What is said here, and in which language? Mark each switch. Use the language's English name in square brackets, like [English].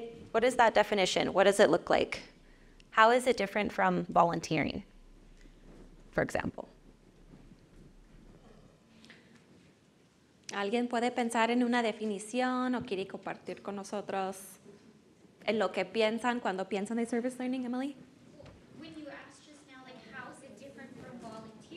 [English] What is that definition? What does it look like? How is it different from volunteering, for example? [Spanish] ¿Alguien puede pensar en una definición o quiere compartir con nosotros en lo que piensan cuando piensan en service learning, Emily? [English] When you asked just now, like, how is it different from volunteering?